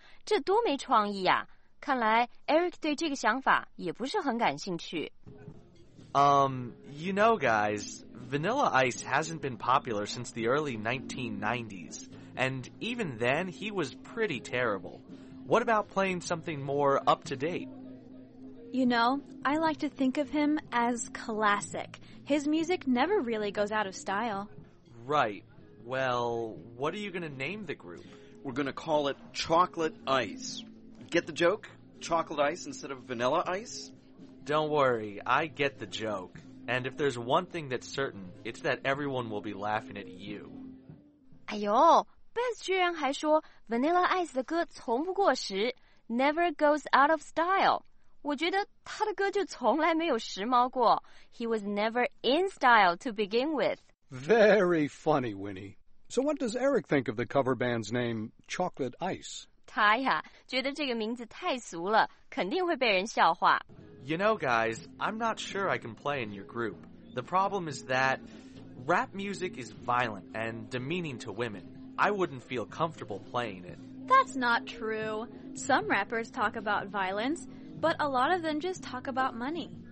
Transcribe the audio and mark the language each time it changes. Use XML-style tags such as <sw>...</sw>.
<zh>这多没创意啊，看来 Eric 对这个想法也不是很感兴趣。</zh> <en>You know guys, Vanilla Ice hasn't been popular since the early 1990s, and even then he was pretty terrible. What about playing something more up to date? You know, I like to think of him as classic. His music never really goes out of style. Right. Well, what are you going to name the group? We're going to call it Chocolate Ice. Get the joke? Chocolate Ice instead of Vanilla Ice? Don't worry, I get the joke. And if there's one thing that's certain, it's that everyone will be laughing at you.</en> <zh>哎呦， Beth 居然还说 Vanilla Ice 的歌从不过时，</zh> <en>never goes out of style.</en> <zh>我觉得他的歌就从来没有时髦过。</zh> <en>He was never in style to begin with. Very funny, Winnie. So what does Eric think of the cover band's name, Chocolate Ice?</en> <zh>他呀，觉得这个名字太俗了，肯定会被人笑话。</zh> <en>You know, guys, I'm not sure I can play in your group. The problem is that rap music is violent and demeaning to women. I wouldn't feel comfortable playing it. That's not true. Some rappers talk about violence, but a lot of them just talk about money.</en>